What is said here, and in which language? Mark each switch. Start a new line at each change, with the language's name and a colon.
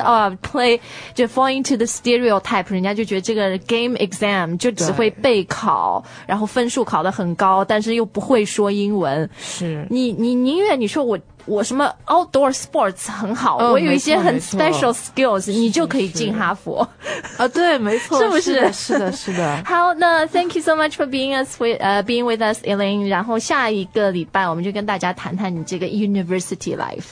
Chinese: play 就 fall into the stereotype，人家就觉得这个 game exam 就只会备考，然后分数考得很高，但是又不会说英文。是，你宁愿你说我什么 outdoor sports 很好，哦，我有一些很 special skills，你就可以进哈佛。啊，对，没错，是不是？是的，是的。是的
English: 好，那 thank you so much for being with us, Elaine。
Chinese: 然后下一个礼拜我们就跟大家谈谈你这个 university life。